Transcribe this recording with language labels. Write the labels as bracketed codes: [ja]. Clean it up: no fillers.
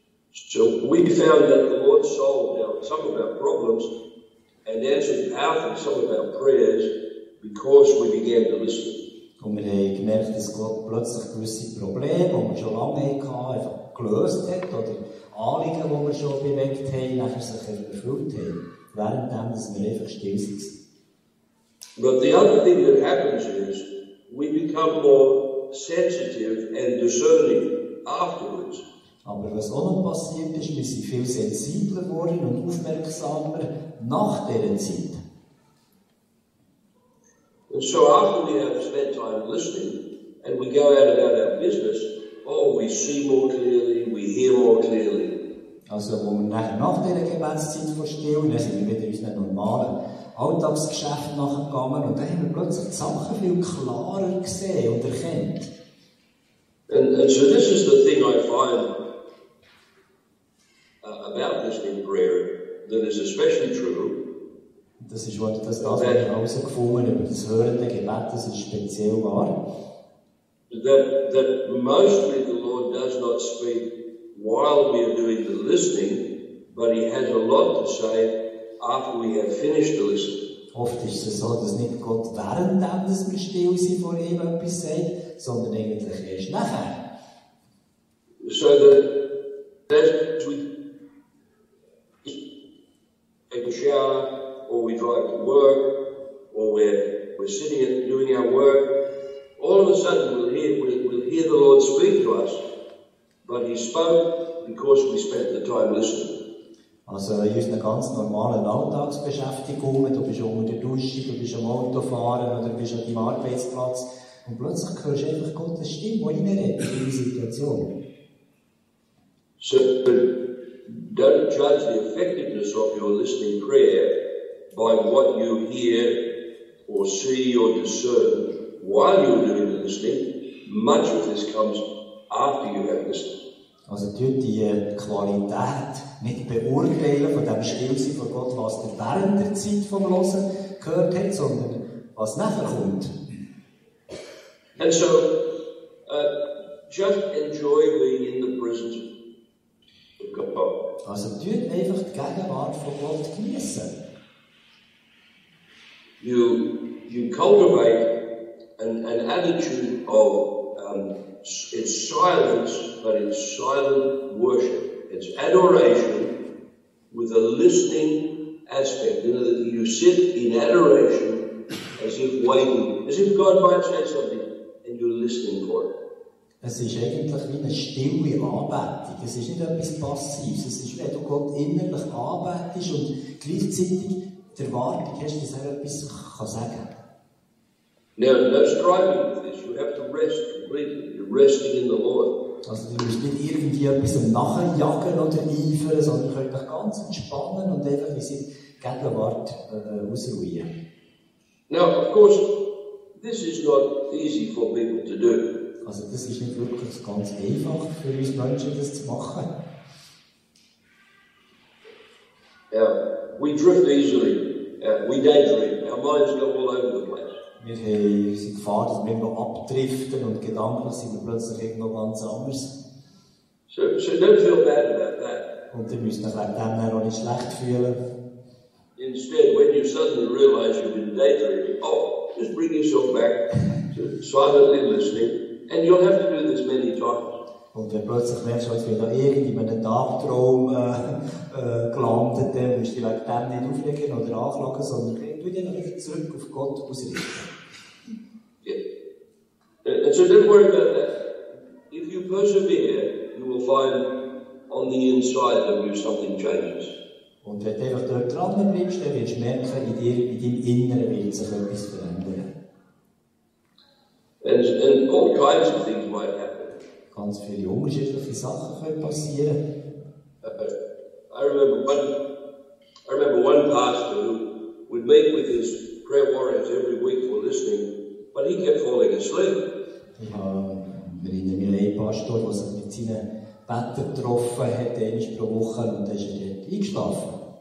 [en] So we found that the Lord solved some of our problems and answered powerfully some of our prayers because we began to listen. [de] Und wir haben gemerkt, dass Gott plötzlich gewisse Probleme, die wir schon lange hatten, einfach gelöst hat oder Anliegen, die wir schon bewegt haben, einfach sich erfüllt haben. Währenddem, dass wir einfach still sind. [en] But the other thing that happens is, we become more sensitive and discerning afterwards. [de] Aber was auch noch passiert ist, wir sind viel sensibler geworden und aufmerksamer nach dieser Zeit. [en] And so after we have spent time listening and we go out about our business, oh, we see more clearly, we hear more clearly. [de] Also, wo wir nach dieser Gebetszeit von Stille, dann sind wir wieder in unseren normalen Alltagsgeschäften nachgegangen und dann haben wir plötzlich die Sachen viel klarer gesehen und erkannt. [en] And so this is the thing I find about this in prayer that is especially true. [de] Das ist was, das habe ich herausgefunden über das hörende Gebet, das ist speziell wahr. [en] That mostly the Lord does not speak while we are doing the listening, but he has a lot to say after we have finished the listening. [de] Oft ist es so, dass nicht Gott währenddem, dass wir still sind vor ihm etwas sagt, sondern eigentlich erst nachher. [en] So that we take a shower, or we drive to work, or we're sitting and doing our work, all of a sudden we'll hear the Lord speak to us. But he spoke because we spent the time listening. [de] Also in unseren ganz normalen Alltagsbeschäftigungen, du bist unter der Dusche, du bist am Autofahren oder du bist an deinem Arbeitsplatz und plötzlich hörst du einfach Gottes Stimme, die reinredet in die Situation. [en] So, Don't judge the effectiveness of your listening prayer by what you hear or see or discern while you're doing the listening. Much of this comes after you have listened. [de] Also, tut die Qualität nicht beurteilen von dem Stillsein von Gott, was der während der Zeit vom Losen gehört hat, sondern was nachher kommt. [en] And so, just enjoy being in the presence of God. [de] Also, tut einfach die Gegenwart von Gott genießen. [en] You cultivate an attitude of it's silence, but it's silent worship. It's adoration with a listening aspect. You know that you sit in adoration as if waiting, as if God might say something, and you're listening for it. [de] Es ist eigentlich wie eine stille Anbetung. Es ist nicht etwas Passives. Es ist, wenn du Gott innerlich anbetest und gleichzeitig die Erwartung hast, dass er etwas sagen kann. [en] Now, no striving with this. You have to rest completely. You're resting in the Lord. [de] Also, du musst nicht irgendwie etwas nachjagen oder eifern, sondern du dich ganz entspannen und einfach in seine Gegenwart ausruhen. [en] Now, of course, this is not easy for people to do. [de] Also, das ist nicht wirklich ganz einfach für uns Menschen, das zu machen. [en] Ja, we drift easily. We daydream. Our minds go all over the place. [de] Wir haben die Gefahr, dass wir noch abdriften und gedanklich sind wir plötzlich irgendwo ganz anders. [en] So don't feel bad about that. [de] Und ihr müsst euch wegen dem dann auch nicht schlecht fühlen. [en] Instead, when you suddenly realize you've been daydreaming, oh, just bring yourself back to silently listening. And you'll have to do this many times. [de] Und wenn plötzlich merkst du, als wir da irgendwie in einem Tagtraum gelandet, dann musst du vielleicht dann nicht auflegen oder anklagen, sondern du dich dann wieder zurück auf Gott ausrichten. [en] Yeah. And so don't worry about that. If you persevere, you will find on the inside of you something changes. [de] Und wenn du einfach dort dran bleibst, dann wirst du merken, in dir, in deinem Inneren wird sich etwas verändern. [en] And all kinds of things might happen. [de] Ganz viele unterschiedliche Sachen können passieren. [en] I remember one pastor who would meet with his prayer warriors every week for listening, but he kept falling asleep. [de] Ich erinnere mich an einen Pastor, der sich mit seinen Betten getroffen hat, einmal pro Woche, und dann ist er eingeschlafen.